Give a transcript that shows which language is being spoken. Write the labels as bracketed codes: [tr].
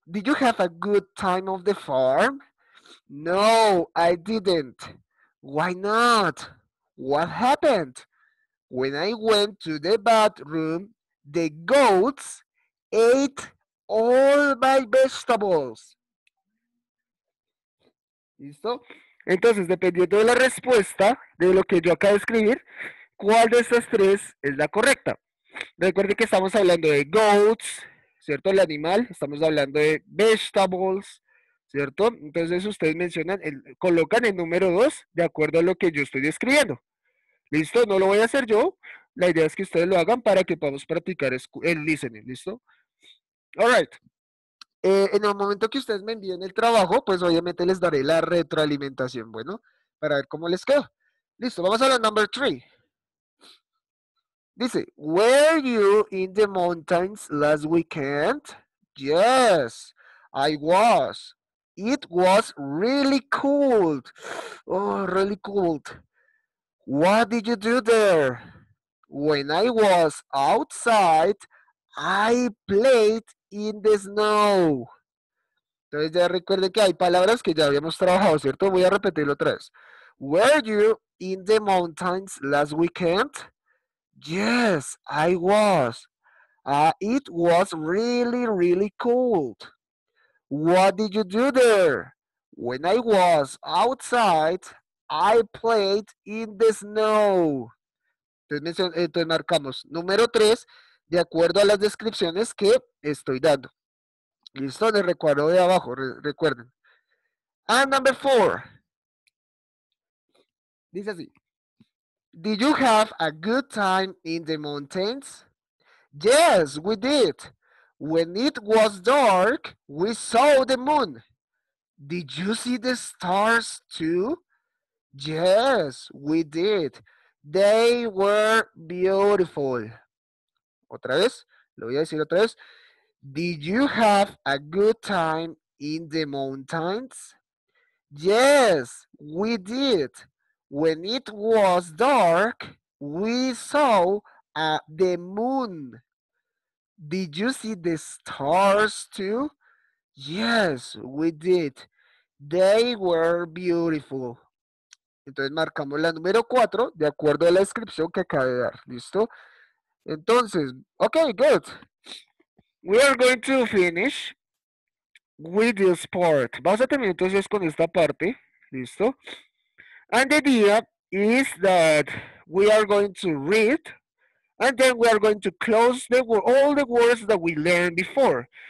[en] Did you have a good time on the farm? No, I didn't. Why not? What happened? When I went to the bathroom, the goats ate all my vegetables. [es] ¿Listo? Entonces, dependiendo de la respuesta de lo que yo acabo de escribir, ¿cuál de estas tres es la correcta? Recuerde que estamos hablando de goats, ¿cierto? El animal, estamos hablando de vegetables, ¿cierto? Entonces, ustedes mencionan, colocan el número 2 de acuerdo a lo que yo estoy describiendo. ¿Listo? No lo voy a hacer yo. La idea es que ustedes lo hagan para que podamos practicar el listening. ¿Listo? [en] All right. [es] En el momento que ustedes me envíen el trabajo, pues obviamente les daré la retroalimentación. Bueno, para ver cómo les quedó. Listo. Vamos a la number 3. [en] Dice, were you in the mountains last weekend? Yes, I was. It was really cold. Oh, really cold. What did you do there? When I was outside, I played in the snow. [es] Entonces ya recuerden que hay palabras que ya habíamos trabajado, ¿cierto? Voy a repetirlo otra vez. [en] Were you in the mountains last weekend? Yes, I was. It was really cold. What did you do there? When I was outside, I played in the snow. [es] Entonces marcamos número 3 de acuerdo a las descripciones que estoy dando. Listo, les recuerdo de abajo, recuerden. [en] And number 4. [es] Dice así. [en] Did you have a good time in the mountains? Yes, we did. When it was dark, we saw the moon. Did you see the stars too? Yes, we did. They were beautiful. [es] Otra vez, lo voy a decir otra vez. [en] Did you have a good time in the mountains? Yes, we did. When it was dark, we saw the moon. Did you see the stars too? Yes, we did. They were beautiful. [es] Entonces marcamos la número 4 de acuerdo a la descripción que acabo de dar. ¿Listo? Entonces, [en] ok, good. We are going to finish with this part. [es] Vamos a terminar entonces con esta parte. ¿Listo? [en] And the idea is that we are going to read and then we are going to close all the words that we learned before.